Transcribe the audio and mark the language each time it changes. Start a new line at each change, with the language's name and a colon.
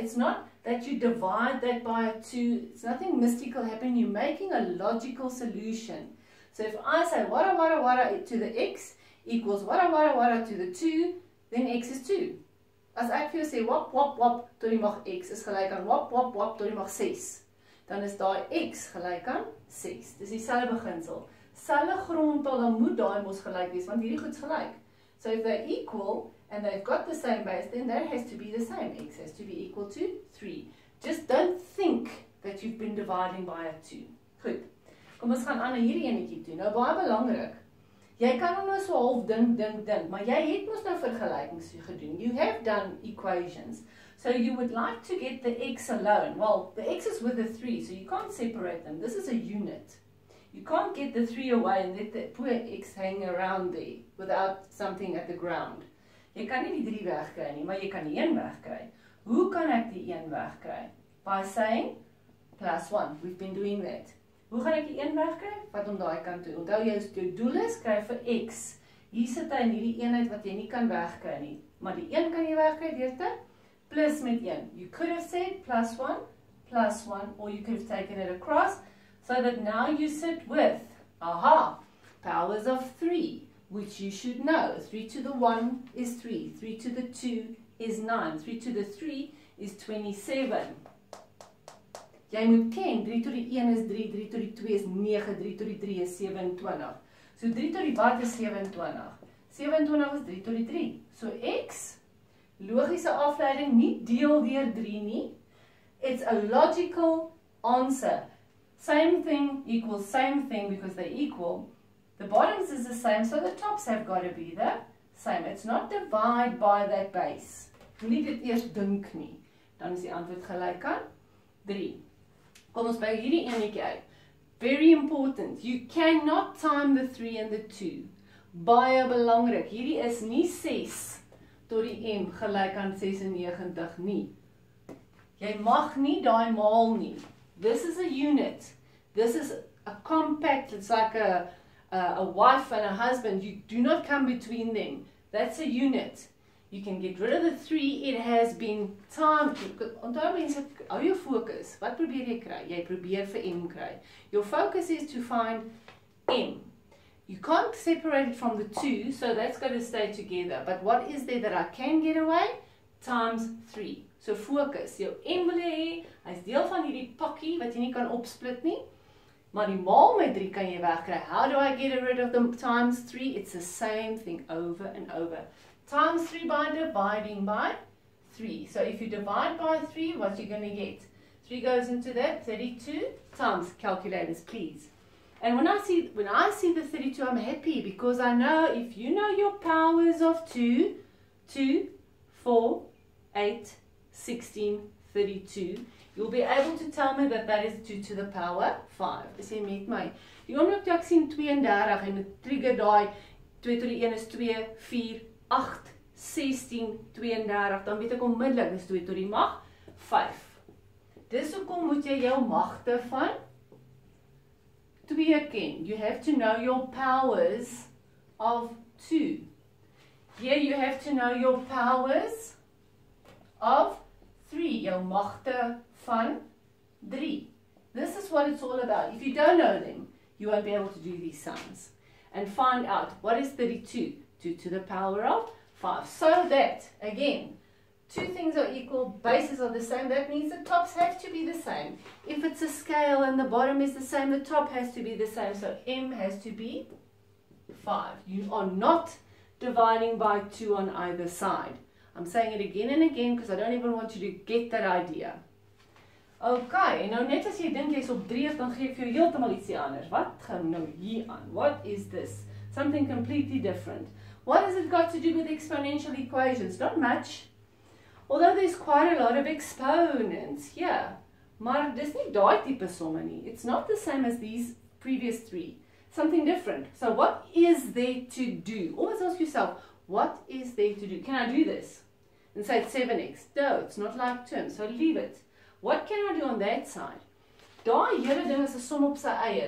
English: It's not that you divide that by a 2. It's nothing mystical happening. You're making a logical solution. So if I say wara to the x equals wara to the 2, then x is 2.
Afrikaans: As ek vir jou sê wop tot die mag x is gelyk aan wop tot die mag 6, dan is daai x gelyk aan 6. Dis dieselfde beginsel. Selfe grondtal, dan moet daai mos gelyk wees want hierdie goed's gelyk.
English: So if they're equal and they've got the same base, then there has to be the same. X has to be equal to 3. Just don't think that you've been dividing by a 2.
Afrikaans: Goed. Kom ons gaan aan na hierdie enetjie toe. Nou baie belangrik. Jy kan nou so half dink, maar jy het mos nou vergelykings gedoen.
English: You have done equations. So you would like to get the x alone. Well, the x is with the 3, so you can't separate them. This is a unit. You can't get the 3 away and let the poor x hang around there without something at the ground.
Afrikaans: Jy kan nie die 3 wegkry nie, maar jy kan die 1 wegkry. Hoe kan ek die 1 wegkry?
English: By saying plus 1. We've been doing that.
Afrikaans: Hoe gaan ek die 1 wegkry? Wat om daai kant toe. Onthou jy is jou doel is kry vir x. Hier sit hy in hierdie eenheid wat jy nie kan wegkry nie. Maar die 1 kan jy wegkry deur te plus met 1.
English: You could have said plus 1, plus 1, or you could have taken it across so that now you sit with, aha, powers of 3, which you should know. 3 to the 1 is 3. 3 to the 2 is 9. 3 to the 3 is 27.
Afrikaans: Jy moet ken, 3 tot die 1 is 3, 3 tot die 2 is 9, 3 tot die 3 is 27. So 3 tot die wat is 27? 27 is 3 tot die 3. So x, logische afleiding, nie deel deur 3 nie.
English: It's a logical answer. Same thing equals same thing because they equal. The bottoms is the same, so the tops have got to be the same. It's not divide by that base.
Afrikaans: Nie dit eers dink nie. Dan is die antwoord gelyk aan 3. Kom ons by hierdie enetjie uit.
English: Very important. You cannot time the 3 and the 2.
Afrikaans: Baie belangrik. Hierdie is nie 6 tot die m gelyk aan 96 nie. Jy mag nie daai maal nie.
English: This is a unit. This is a compact. It's like a wife and a husband. You do not come between them. That's a unit. You can get rid of the 3, it has been timed.
Afrikaans: Onthou mense, hou jou fokus. Wat probeer jy kry? Jy probeer vir m kry.
English: Your focus is to find m. You can't separate it from the 2, so that's going to stay together. But what is there that I can get away? Times 3. So fokus.
Afrikaans: Jou m wil jy hê, hy is deel van hierdie pakkie wat jy nie kan opsplit nie. Maar die maal met 3 kan jy wegkry.
English: How do I get rid of the times 3? It's the same thing over and over. Times 3 by dividing by 3. So if you divide by 3, what are you going to get? 3 goes into that, 32 times, calculators, please. And when I see the 32, I'm happy because I know if you know your powers of 2, 2, 4, 8, 16, 32, you'll be able to tell me that that is 2 to the power 5.
Afrikaans: Is jy met my? Die oomblik toe ek sien 32 en het trigger daai 2 tot die 1 is 2, 4, 8, 16, 32, dan weet ek onmiddellik, dis 2 tot die mag, 5. Dis hoekom moet jy jou magte van 2 ken.
English: You have to know your powers of 2. Here you have to know your powers of 3,
Afrikaans: jou magte van 3.
English: This is what it's all about. If you don't know them, you won't be able to do these sums. And find out, what is 32? To the power of 5. So that, again, two things are equal, bases are the same, that means the tops have to be the same. If it's a scale and the bottom is the same, the top has to be the same. So m has to be 5. You are not dividing by 2 on either side. I'm saying it again and again because I don't even want you to get that idea.
Afrikaans: Ok, en nou net as jy dink jy is op dreef, dan gee ek jou heeltemal ietsie anders. Wat gaan nou hier aan?
English: What is this? Something completely different. What has it got to do with exponential equations? Not much. Although there's quite a lot of exponents here.
Afrikaans: Maar dis nie daai tipe somme nie.
English: It's not the same as these previous three. Something different. So what is there to do? Always ask yourself, what is there to do? Can I do this? And say it's 7x. No, it's not like terms, so leave it. What can I do on that side?
Afrikaans: Daai hele ding is 'n som op sy eie.